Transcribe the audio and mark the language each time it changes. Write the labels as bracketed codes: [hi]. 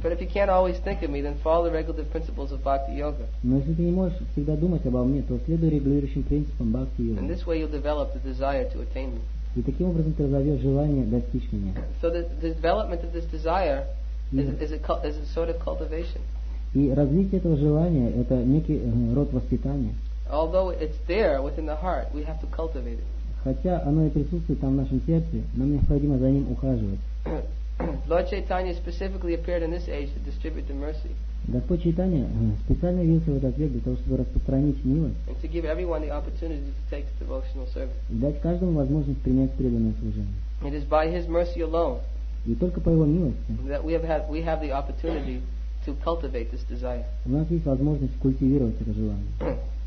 [en] But if you can't always think of me, then follow the regulative principles of Bhakti Yoga. [ru] Но если ты не можешь всегда думать обо мне, то следуй регулирующим принципам Бхакти Йоги. [en] And this way you'll develop the desire to attain me. [ru] И таким образом ты разовьешь желание достичь меня. [en] So the development of this desire is a sort of cultivation. [ru] И развитие этого желания — это некий род воспитания. [en] Although it's there within the heart, we have to cultivate it. [ru] Хотя оно и присутствует там в нашем сердце, нам необходимо за ним ухаживать. [en] Lord Chaitanya specifically appeared in this age to distribute the mercy. [ru] Господь Чайтанья специально явился в этот век для того, чтобы распространить милость. [en] And to give everyone the opportunity to take the devotional service. [ru] И дать каждому возможность принять преданное служение. [en] It is by His mercy alone. [ru] И только по его милости. [en] That we have the opportunity to cultivate this desire. [ru] У нас есть возможность культивировать это желание.